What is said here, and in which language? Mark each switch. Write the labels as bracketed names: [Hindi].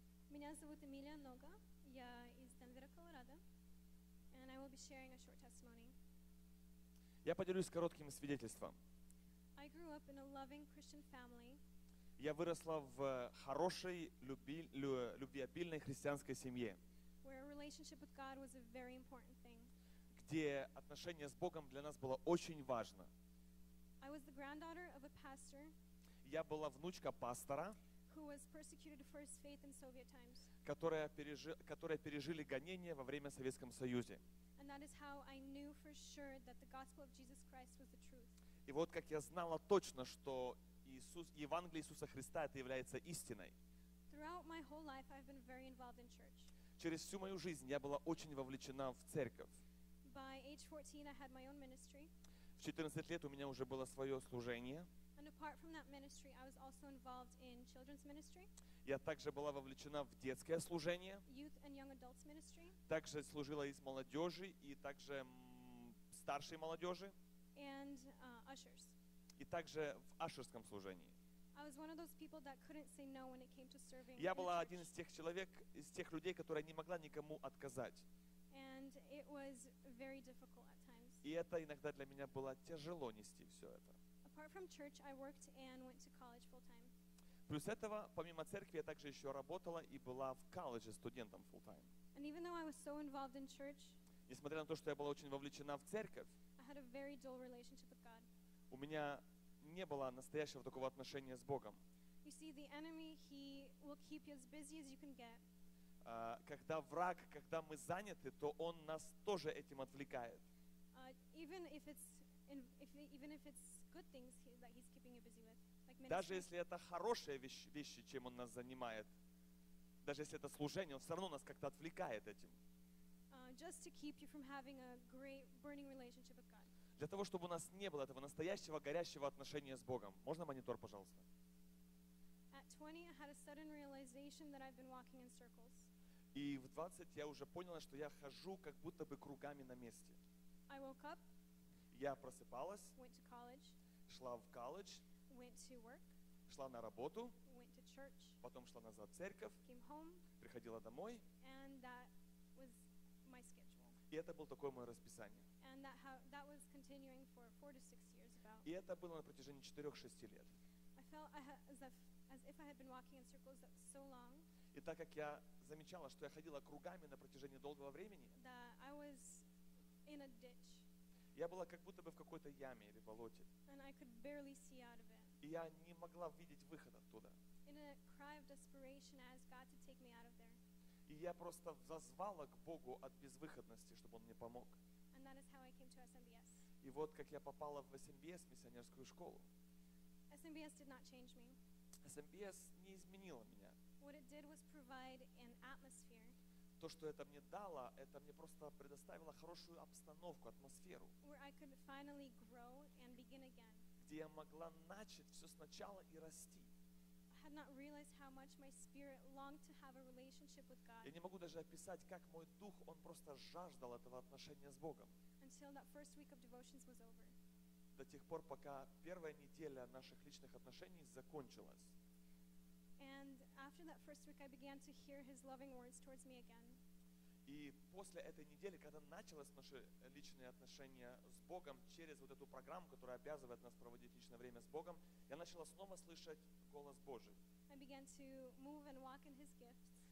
[Russian] Меня зовут Эмилия Нога. Я из Денвера, Колорадо. [English] And I will be sharing a short testimony. [Russian] Я поделюсь коротким свидетельством. [English] I grew up in a loving Christian family. [Russian] Я выросла в хорошей, любвеобильной христианской семье. [English] Where a relationship with God was a very important thing. [Russian] Где отношение с Богом для нас было очень важно. [English] I was the granddaughter of a pastor. [Russian] Я была внучка пастора. [English] Who was persecuted for his faith in Soviet times. [Russian] Которые пережили гонения во время Советском Союзе. [English] And that is how I knew for sure that the gospel of Jesus Christ was the truth. [Russian] И вот как я знала точно, что Евангелие Иисуса Христа это является истиной. [English] Throughout my whole life I've been very involved in church. [Russian] Через всю мою жизнь я была очень вовлечена в церковь. [English] By age 14 I had my own ministry. [Russian] В 14 лет у меня уже было свое служение. [English] And apart from that ministry, I was also involved in children's ministry. [Russian] Я также была вовлечена в детское служение. [English] Youth and young adults ministry. [Russian] Также служила и с молодежи, и также старшей молодежи. [English] And ushers. [Russian] И также в ушерском служении. [English] I was one of those people that couldn't say no when it came to serving. [Russian] Я была один из тех человек, из тех людей, которая не могла никому отказать. [English] And it was very difficult at times. [Russian] И это иногда для меня было тяжело нести все это. [English] Apart from church, I worked and went to college full time. [Russian] Плюс этого, помимо церкви, я также еще работала и была в колледже студентом full time. [English] And even though I was so involved in church, [Russian] несмотря на то, что я была очень вовлечена в церковь, [English] I had a very dull relationship with God. [Russian] У меня не было настоящего такого отношения с Богом. [English] You see, the enemy, he will keep you as busy as you can get. [Russian] Когда враг, когда мы заняты, то он нас тоже этим отвлекает. [English] Even if it's good things that he's keeping you busy with, like ministry. [Russian] Даже если это хорошие вещи, чем он нас занимает, даже если это служение, он все равно нас как-то отвлекает этим. [English] Just to keep you from having a great burning relationship with God. [Russian] Для того, чтобы у нас не было этого настоящего горящего отношения с Богом. Можно монитор, пожалуйста? [English] At 20, I had a sudden realization that I've been walking in circles. [Russian] И в 20 я уже поняла, что я хожу как будто бы кругами на месте. [English] I woke up. [Russian] Я просыпалась, [English] went to college, [Russian] шла в колледж, [English] went to work, [Russian] шла на работу, [English] went to church, [Russian] потом шла назад в церковь, [English] came home, [Russian] приходила домой. [English] And that was my schedule. [Russian] И это было такое мое расписание. [English] And that was continuing for 4 to 6 years about. [Russian] И это было на протяжении 4-6 лет. [English] I felt as if I had been walking in circles that so long. [Russian] И так как я замечала, что я ходила кругами на протяжении долгого времени, [English] that I was in a ditch. [Russian] Я была как будто бы в какой-то яме или болоте. [English] And I could barely see out of it. [Russian] И я не могла видеть выход оттуда. [English] In a cry of desperation, I asked God to take me out of there. [Russian] И я просто воззвала к Богу от безвыходности, чтобы Он мне помог. [English] And that is how I came to SMBS. [Russian] И вот как я попала в SMBS, миссионерскую школу. [English] SMBS did not change me. [Russian] SMBS не изменила меня. [English] What it did was provide an atmosphere. [Russian] То, что это мне дало, это мне просто предоставило хорошую обстановку, атмосферу. [English] Where I could finally grow and begin again. [Russian] Где я могла начать все сначала и расти. [English] I had not realized how much my spirit longed to have a relationship with God. [Russian] Я не могу даже описать, как мой дух, он просто жаждал этого отношения с Богом. [English] Until that first week of devotions was over. [Russian] До тех пор, пока первая неделя наших личных отношений закончилась. [English] And after that first week, I began to hear His loving words towards me again. [Russian] И после этой недели, когда началось наши личные отношения с Богом через вот эту программу, которая обязывает нас проводить личное время с Богом, я начала снова слышать голос Божий. [English] I began to move and walk in His gifts.